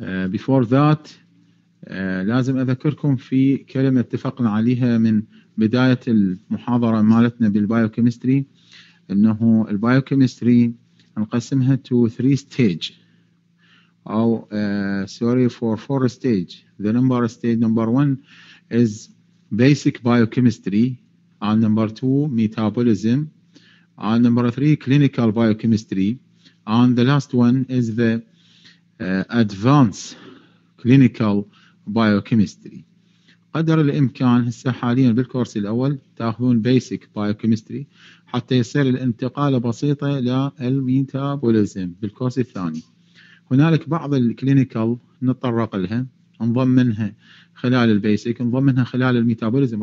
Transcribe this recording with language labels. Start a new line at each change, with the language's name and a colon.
English: Before that
Arabic: لازم أذكركم في كلمة اتفقنا عليها من بداية المحاضرة مالتنا بالبايوكيمستري، انه البايوكيمستري نقسمها
English: to 3 stage
Arabic: او
English: sorry for 4 stage. The number stage number 1 is basic biochemistry and number 2 metabolism and number 3 clinical biochemistry and the last one is the advanced clinical biochemistry.
Arabic: قدر الامكان هسه حاليا بالكورس الاول تاخذون basic biochemistry حتى يصير الانتقال بسيطة إلى الميتابوليزم بالكورس الثاني. هنالك بعض الكلينيكال نتطرق لها، نضم منها خلال البيسيك، نضم منها خلال الميتابوليزم.